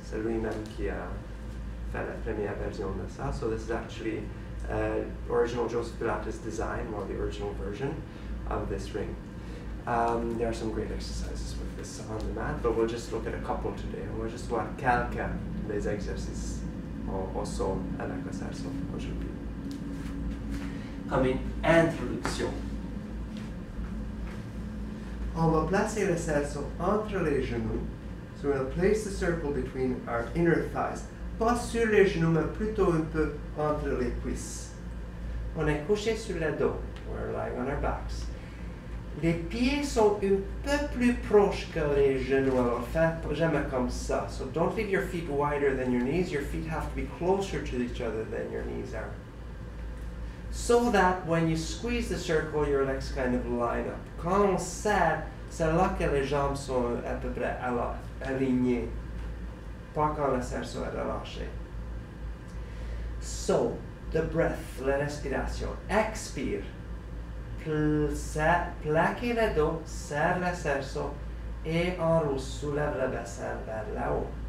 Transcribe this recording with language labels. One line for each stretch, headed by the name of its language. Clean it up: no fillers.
French: C'est lui-même qui a fait la première version de ça.
English: So this is actually original Joseph Pilates design, or the original version of this ring. There are some great exercises with this on the mat, but we'll just look at a couple today. We'll just
French: voir quelques des exercices au sol avec le cerceau aujourd'hui. Comme une introduction. On va placer le cerceau entre les genoux.
English: So we'll place the circle between our inner thighs.
French: Pas sur les genoux, mais plutôt un peu entre les cuisses. On est couché sur le dos.
English: We're lying on our backs.
French: Les pieds sont un peu plus proches que les genoux. Alors, faites jamais comme ça.
English: So don't leave your feet wider than your knees. Your feet have to be closer to each other than your knees are. So that when you squeeze the circle, your legs kind of line up.
French: Quand on sert, c'est là que les jambes sont à peu près alignées. Pas quand le cerceau est relâché.
English: So, the breath,
French: la respiration. Expire. Plaquez le dos, serre le cerceau et enroule, soulève le bassin vers le haut.